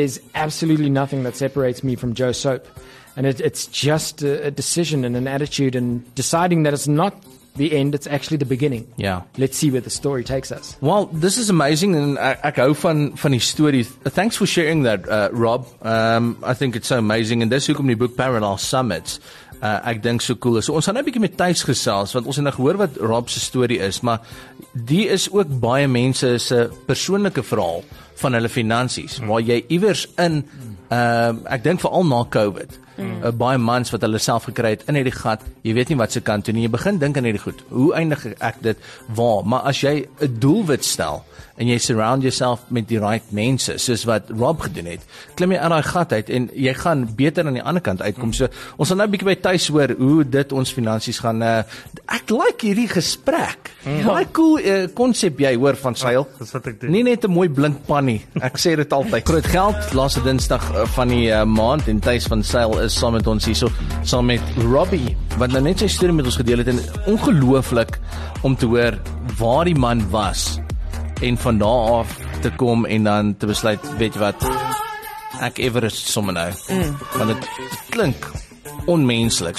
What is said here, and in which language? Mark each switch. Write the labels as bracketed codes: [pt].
[en] There's absolutely nothing that separates me from Joe Soap, and it's just a decision and an attitude, and deciding that it's not the end, it's actually the beginning. Yeah, let's see where the story takes us. Well, this is amazing, and funny story. Thanks for sharing that, Rob. I think it's so amazing, and this [af] hoekom die boek [en] Parallel Summits. [af] Ek dink so cool is. So ons gaan nou 'n bietjie met Thys gesels, want ons het nou gehoor wat Rob se storie is, maar die is ook baie mense se persoonlike verhaal van hulle finansies, waar jy iewers in, ek dink veral na COVID, baie mans wat hulle self gekry het in hierdie gat, jy weet nie wat se kant toe nie, jy begin dink aan hierdie goed, hoe eindig ek dit, waar, maar as jy 'n doelwit stel, en jy [en] surround yourself [af] met die right mense, soos wat Rob gedoen het, klim jy aan die gat uit, en jy gaan beter aan die ander kant uitkom, so, ons sal nou 'n bietjie by Thys hoor, hoe dit ons finansies gaan, ek like hierdie gesprek, baie cool concept jy hoor van Seil, nie net 'n mooi blink pan nie, ek sê dit altyd, Groot Geld, laaste dinsdag van die maand, en Thys van Seil is saam met ons hier, so, saam met Robbie, wat nou net sy story met ons gedeel het, en ongelooflik, om te hoor, waar die man was, en van daar af te kom en dan te besluit, weet jy wat, ek Everest sommer nou. Want het klink onmenselik.